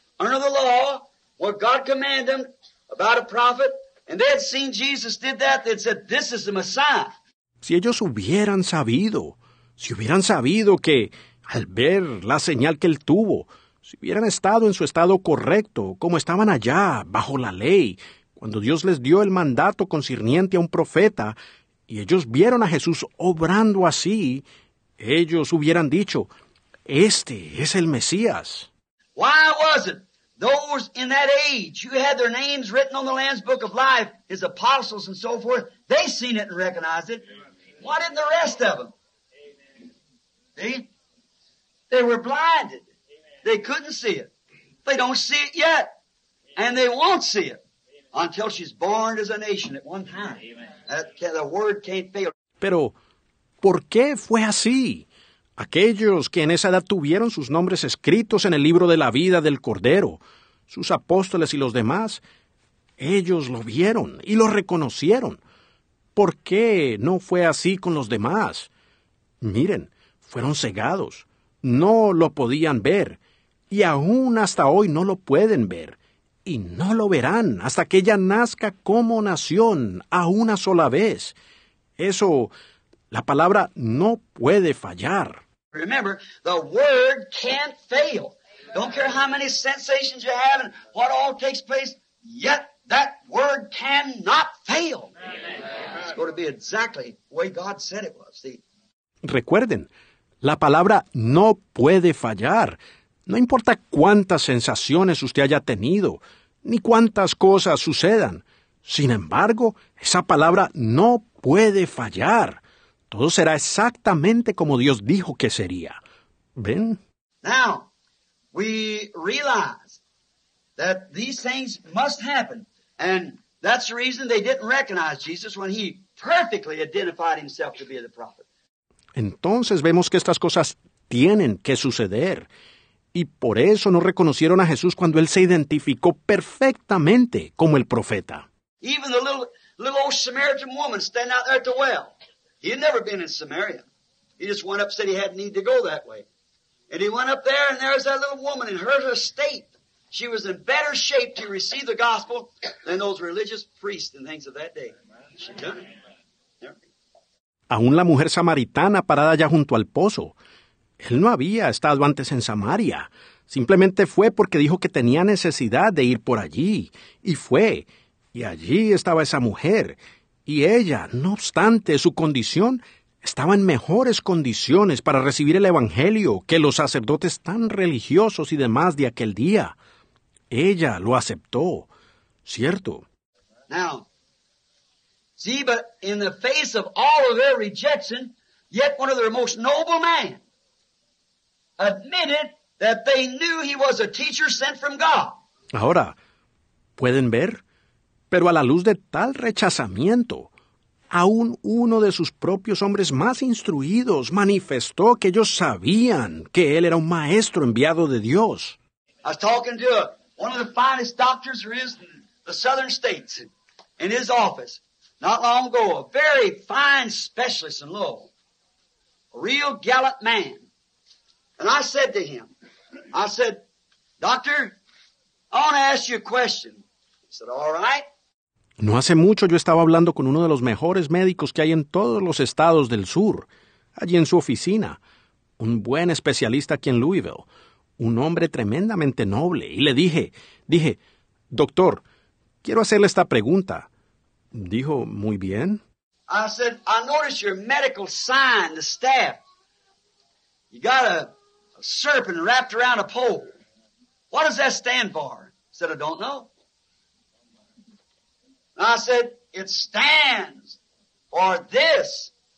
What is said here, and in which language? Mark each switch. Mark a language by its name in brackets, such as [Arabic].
[English] under the law, what God commanded them about a prophet, and they had seen Jesus did that, they'd said, this is the Messiah. [Spanish] Si ellos hubieran sabido, si hubieran sabido que al ver la señal que él tuvo, si hubieran estado en su estado correcto, como estaban allá, bajo la ley, cuando Dios les dio el mandato concerniente a un profeta, y ellos vieron a Jesús obrando así, ellos hubieran dicho, este es el Mesías. [English] Why was it those in that age who had their names written on the Lamb's Book of Life, his apostles and so forth, they seen it and recognized it. Why didn't the rest of them? They were blinded. They couldn't see it. They don't see it yet. And they won't see it until she's born as a nation at one time. The word can't fail. [Spanish] Pero, ¿por qué fue así? Aquellos que en esa edad tuvieron sus nombres escritos en el libro de la vida del Cordero, sus apóstoles y los demás, ellos lo vieron y lo reconocieron. ¿Por qué no fue así con los demás? Miren, fueron cegados, no lo podían ver, y aún hasta hoy no lo pueden ver, y no lo verán hasta que ella nazca como nación a una sola vez. Eso, la palabra no puede fallar. [English] Remember, the word can't fail. Don't care how many sensations you have and what all takes place, yet that word cannot fail. It's going to be exactly the way God said it was. See? [Spanish] Recuerden, la palabra no puede fallar. No importa cuántas sensaciones usted haya tenido, ni cuántas cosas sucedan. Sin embargo, esa palabra no puede fallar. Todo será exactamente como Dios dijo que sería. ¿Ven? [English] Now, we realize that these things must happen. And that's the reason they didn't recognize Jesus when he perfectly identified himself to be the prophet. [Spanish] Entonces vemos que estas cosas tienen que suceder. Y por eso no reconocieron a Jesús cuando él se identificó perfectamente como el profeta. [English] Even the little old Samaritan woman standing out there at the well. He had never been in Samaria. He just went up and said he had need to go that way. And he went up there, and there was that little woman in her estate. She was in better shape to receive the gospel than those religious priests and things of that day. She done it. [Spanish] Aún la mujer samaritana parada allá junto al pozo. Él no había estado antes en Samaria. Simplemente fue porque dijo que tenía necesidad de ir por allí. Y fue. Y allí estaba esa mujer. Y ella, no obstante su condición, estaba en mejores condiciones para recibir el Evangelio que los sacerdotes tan religiosos y demás de aquel día. Ella lo aceptó, ¿cierto? [English] Now, see, but in the face of all of their rejection, yet one of their most noble men admitted that they knew he was a teacher sent from God. [Spanish] Ahora, ¿pueden ver? Pero a la luz de tal rechazamiento, aún uno de sus propios hombres más instruidos manifestó que ellos sabían que él era un maestro enviado de Dios. [English] I was talking to one of the finest doctors there is in the southern states in his office not long ago, a very fine specialist in Lowell, a real gallant man. And I said to him, I said, doctor, I want to ask you a question. He said, all right. [Spanish] No hace mucho yo estaba hablando con uno de los mejores médicos que hay en todos los estados del sur, allí en su oficina, un buen especialista aquí en Louisville, un hombre tremendamente noble, y le dije, doctor, quiero hacerle esta pregunta. Dijo, muy bien. [English] I said, I noticed your medical sign, the staff. You got a serpent wrapped around a pole. What does that stand for? I said, I don't know. I said, it stands for this.